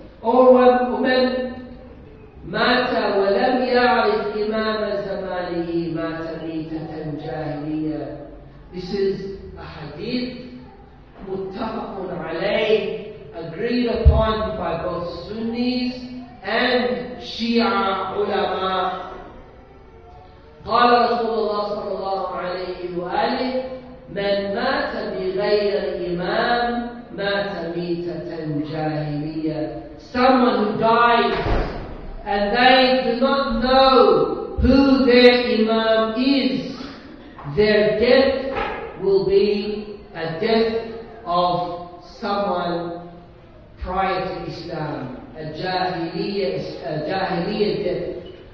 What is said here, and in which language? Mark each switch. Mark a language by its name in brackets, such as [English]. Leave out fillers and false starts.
[English] Or woman, [Arabic] mata wa lam ya'rif imam zamanihi, mata mitatun jahiliyyah. [English] This is a hadith, [Arabic] muttafaqun alayh, [English] agreed upon by both Sunnis and Shia ulama. [Arabic] قال رسول الله صلى الله عليه وآله من مات بغير إمام مات ميتة جاهلية. [English] Someone who dies and they do not know who their imam is, their death will be a death of someone prior to Islam, a jahiliya death.